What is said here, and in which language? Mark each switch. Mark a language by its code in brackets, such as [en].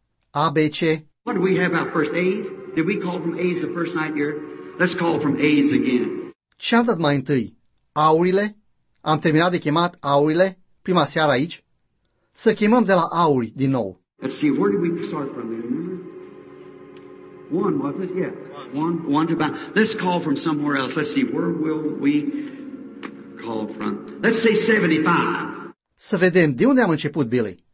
[en] A, B, C? What do we have our first A's? Did we call from A's the first night here? Let's call from A's again. [ro] Ce am dat mai întâi? Aurile? Am terminat de chemat aurile? Prima seară aici? Să chemăm de la auri din nou. [en] Let's see, where did we start from then? One, was it? Yeah. One to about. Let's call from somewhere else. Let's see, where will we call from? Let's say 75. [ro] Să vedem, de unde am început, Billy?